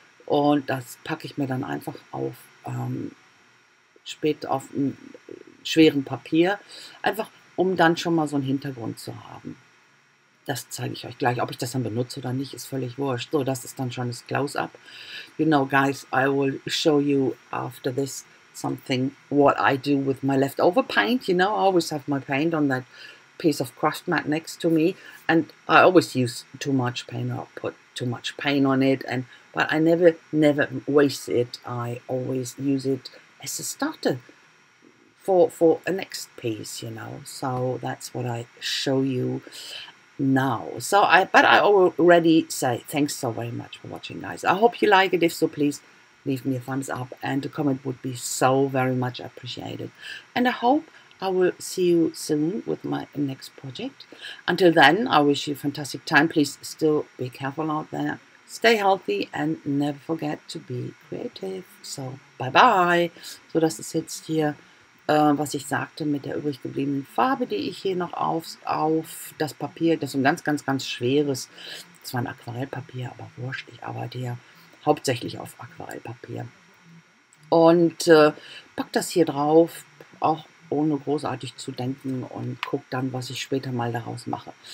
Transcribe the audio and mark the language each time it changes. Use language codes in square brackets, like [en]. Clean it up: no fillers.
[de] Und das packe ich mir dann einfach auf spät auf einem schweren Papier. Einfach, um dann schon mal so einen Hintergrund zu haben. Das zeige ich euch gleich. Ob ich das dann benutze oder nicht, ist völlig wurscht. So, das ist dann schon das Close-up. [en] You know, guys, I will show you after this something, what I do with my leftover paint. You know, I always have my paint on that piece of crushed mat next to me. And I always use too much paint or put too much paint on it. But I never waste it. I always use it as a starter for a next piece, you know. So that's what I show you now. But I already say thanks so very much for watching, guys. I hope you like it. If so, please leave me a thumbs up, and a comment would be so very much appreciated. And I hope I will see you soon with my next project. Until then, I wish you a fantastic time. Please still be careful out there. Stay healthy and never forget to be creative. So, bye bye. [de] So, das ist jetzt hier, was ich sagte mit der übrig gebliebenen Farbe, die ich hier noch auf das Papier, das ist ein ganz, ganz, ganz schweres, zwar ein Aquarellpapier, aber wurscht, ich arbeite ja hauptsächlich auf Aquarellpapier. Und pack das hier drauf, auch ohne großartig zu denken, und guck dann, was ich später mal daraus mache.